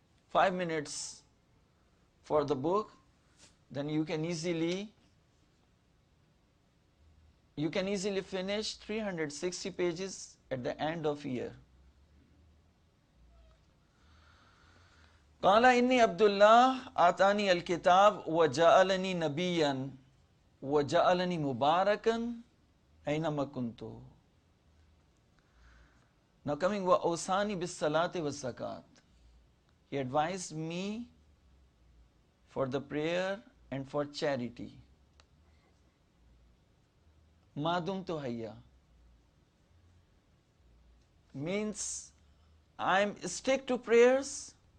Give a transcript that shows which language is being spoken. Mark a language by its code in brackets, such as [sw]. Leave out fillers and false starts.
[en] 5 minutes for the book, then you can easily finish 360 pages at the end of year. [ar] قال إني عبد الله أعطاني الكتاب وجعلني نبيا وجعلني مباركا أينما كنت. [en] Now coming [ar] وأوصاني بالصلاة والزكاة. [en] He advised me for the prayer and for charity. [ar] ما دمت حيا [en] means I'm stick to prayers.